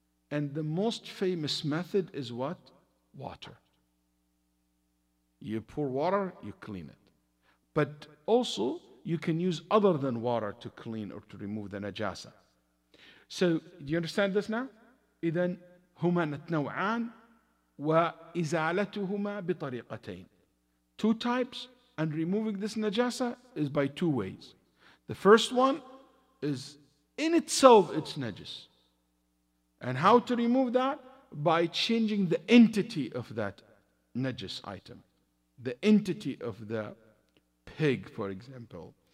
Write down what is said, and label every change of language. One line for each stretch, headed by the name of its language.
English: And the most famous method is what? Water. You pour water, you clean it. But also, you can use other than water to clean or to remove the najasa. So, do you understand this now?
Arabic: إذن هما نتنوعان وإزالتهما بطريقتين.
English: Two types, and removing this najasa is by two ways. The first one is in itself it's najis. And how to remove that? By changing the entity of that najis item. The entity of the pig, for example.